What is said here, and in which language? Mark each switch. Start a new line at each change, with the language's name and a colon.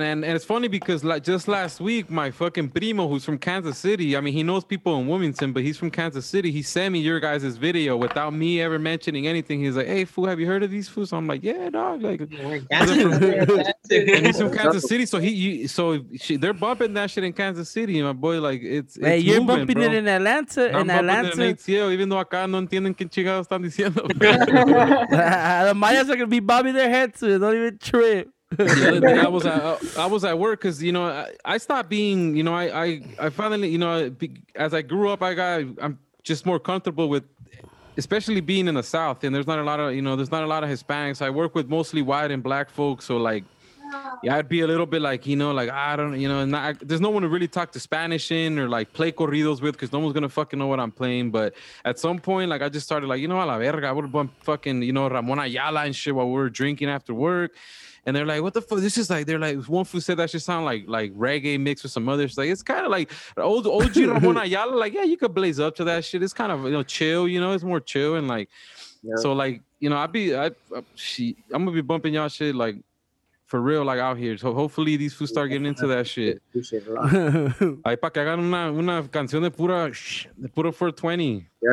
English: And it's funny because like just last week, my fucking primo, who's from Kansas City, I mean, he knows people in Wilmington, but he's from Kansas City. He sent me your guys' video without me ever mentioning anything. He's like, hey, fool, have you heard of these fools? So I'm like, yeah, dog. Like, and he's from Kansas City. So they're bumping that shit in Kansas City. And my boy, like, it's moving, you're bumping bro. It in Atlanta. ATL, even though
Spanish: acá no entienden qué chingados están diciendo.
English: The Mayas are going to be bobbing their heads to it. Don't even trip. I was at work because, you know, I stopped being, you know, I finally, you know, as I grew up, I'm just more comfortable with, especially being in the South, and there's not a lot of Hispanics. I work with mostly white and black folks, so like, yeah, I'd be a little bit like, you know, like, I don't, you know, there's no one to really talk to Spanish in or like play corridos with because no one's going to fucking know what I'm playing. But at some point, like, I just started like, you know,
Spanish: a la verga,
English: I would bump fucking, you know, Ramon Ayala and shit while we were drinking after work. And they're like, what the fuck? This is like, they're like, one fool said that shit sound like reggae mixed with some others. Like, it's kind of like OG Ramon Ayala. Like, yeah, you could blaze up to that shit. It's kind of, you know, chill, you know, it's more chill. And like, so like, you know, I'm going to be bumping y'all shit like for real, like out here. So hopefully these fools start getting into that shit.
Spanish: Ay, pa' que hagan una canción de pura 420.